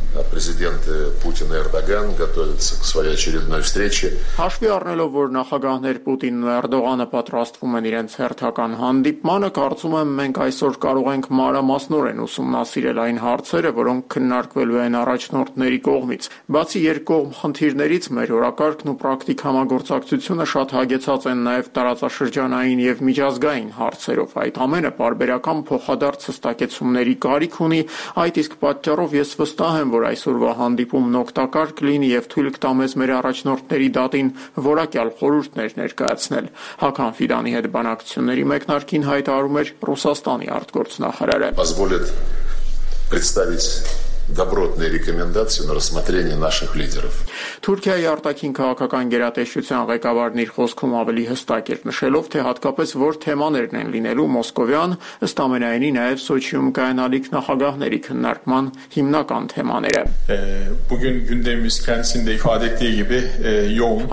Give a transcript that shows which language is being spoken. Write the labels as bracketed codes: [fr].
[ru] Президент Путин и Эрдоган готовятся к своей очередной встрече. [hy] Հաշվի առնելով, որ նախագահներ Պուտինն ու Էրդողանը պատրաստվում են իրենց հերթական հանդիպմանը, կարծում եմ մենք այսօր կարող ենք մանրամասնորեն ուսումնասիրել այն հարցերը, որոնք քննարկվելու են առաջնորդների կողմից։ Բացի երկկողմ խնդիրներից, մեր օրակարգն ու պրակտիկ համագործակցությունը շատ հագեցած են նաև տարածաշրջանային և միջազգային հարցերով։ Այդ ամենը պարբերական փոխադարձ հստակեցումների կարիք ունի, այդ իսկ պատճառով ես վստահ եմ, որ այսօրվա հանդիպումն օգտակար կլինի եւ թույլ կտամես մեր առաջնորդների դատին որակյալ խորհուրդներ ներկայացնել, Հական Ֆիդանի հետ բանակցությունների մեկնարկին հայտարարում էր Ռուսաստանի արտգործնախարարը։ [ru] Позволит представить добротные рекомендации на рассмотрение наших лидеров. [hy] Թուրքիայի արտաքին քաղաքական գերատեսչության ղեկավարն իր խոսքում ավելի հստակ էր նշելով, թե հատկապես որ թեմաներն են լինելու մոսկովյան, ըստ ամենայնի նաև Սոչիում կայանալիք նախագահների քննարկման հիմնական թեմաները։ [tr] Bugün gündemimiz kendisinde ifade ettiği gibi yoğun.